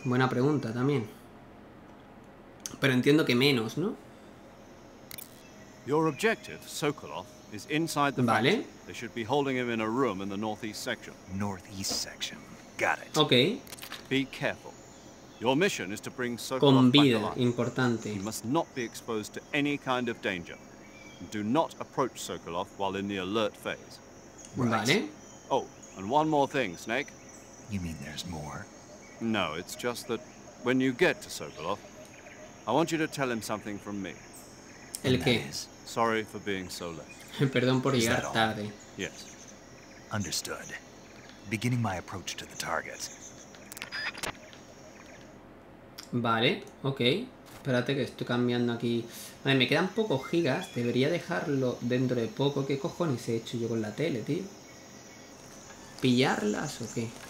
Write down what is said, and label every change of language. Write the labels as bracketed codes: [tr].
[es] Buena pregunta también. Pero entiendo que menos, ¿no? [en] Your objective, Sokolov, is inside the [es] vale. [en] They should be holding him in a room in the northeast section. Northeast section. Got it. Okay. Be careful. Your mission is to bring Sokolov [es] con vida, [en] back alive. [es] Importante. [en] He must not be exposed to any kind of danger. Do not approach Sokolov while in the alert phase. Right. Vale. Oh, and one more thing, Snake. You mean there's more? No, it's just that when you get to Sokolov, I want you to tell him something from me. [es] ¿El qué? [en] Sorry for being so late. [es] Perdón por llegar tarde. [en] Yes. Understood. Beginning my approach to the target. [es] Vale, ok. Espérate que estoy cambiando aquí. Vale, me quedan pocos gigas. Debería dejarlo dentro de poco. ¿Qué cojones he hecho yo con la tele, tío? ¿Pillarlas o qué?